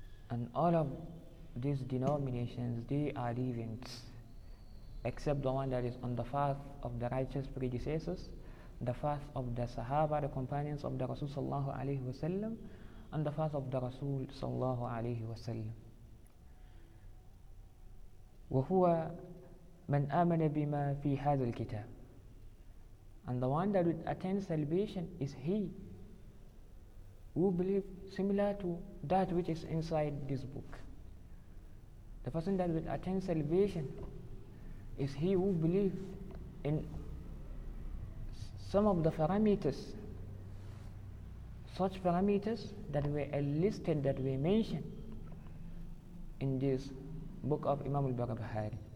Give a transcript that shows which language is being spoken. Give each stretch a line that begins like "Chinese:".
English: And all of these denominations, they are deviants, except the one that is on the path of the righteous predecessors, the path of the Sahaba, the companions of the Rasul sallallahu alayhi wa sallam, and the path of the Rasul sallallahu alayhi wa sallam.
Arabic: وهو من آمن بما في هذا الكتاب.
English: And the one that would attain salvation is he who believes similar to that which is inside this book. The person that would attain salvation is he who believes in some of the parameters, such parameters that were listed, that were mentioned in this book of Imam al-Baghdadi.